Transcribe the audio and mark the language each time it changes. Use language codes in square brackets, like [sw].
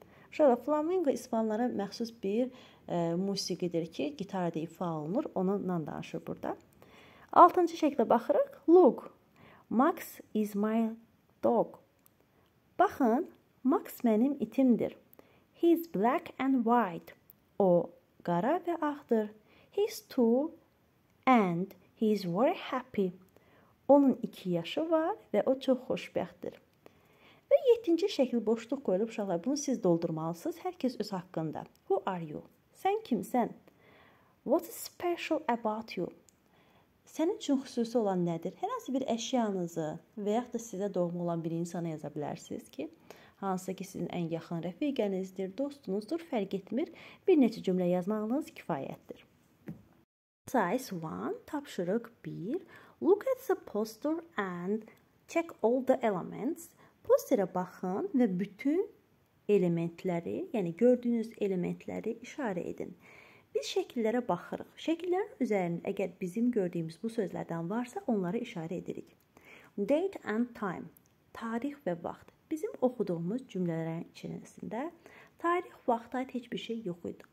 [az] Şurada flamingo ispanlara məxsus bir musiqidir ki, gitara da ifa olunur. Onunla danışır burada. Altıncı şəklə baxırıq. [en] Look, Max is my dog. [az] Baxın, Max mənim itimdir. [en] He is black and white. [az] O, qara və ağdır. [en] He's two and he's very happy. [az] Onun 2 yaşı var və o çox xoşbəxtdir. Və 7-ci şəkil boşluq qoyulub uşaqlar. Bunu siz doldurmalısınız. Hər kəs öz haqqında. [en] Who are you? [az] Sən kimsən? [en] What is special about you? [az] Sənin üçün xüsusi olan nədir? Hər hansı bir əşyanızı və yaxud da sizə doğma olan bir insana yaza bilərsiniz ki, hansı ki, sizin ən yaxın rəfiqənizdir, dostunuzdur, fərq etmir. Bir neçə cümlə yazmağınız kifayətdir. Size 1, tapşırıq 1. [en] Look at the poster and check all the elements. [az] Posterə baxın və bütün elementləri, yəni gördüyünüz elementləri işarə edin. Biz şəkillərə baxırıq. Şəkillərin üzərində əgər bizim gördüyümüz bu sözlərdən varsa, onları işarə edirik. [en] Date and time. [az] Tarix və vaxt. Bizim oxuduğumuz cümlələrin içərisində tarix, vaxta aid heç bir şey yox idi.